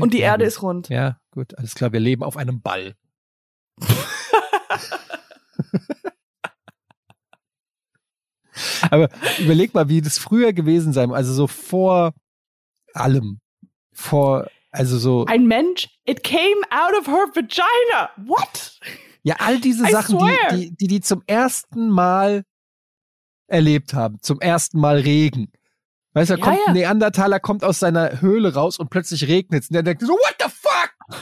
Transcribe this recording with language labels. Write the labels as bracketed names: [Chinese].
[German] und die Erde ist rund. Ja, gut, alles klar, wir leben auf einem Ball. Aber überleg mal, wie das früher gewesen sein, also so vor allem, vor, also so. Ein Mensch? [English] It came out of her vagina. What? [German] Ja, all diese Sachen, die zum ersten Mal erlebt haben, zum ersten Mal Regen. Weißt du, kommt ein Neandertaler, kommt aus seiner Höhle raus und plötzlich regnet es. Und der denkt so, [English] what the fuck?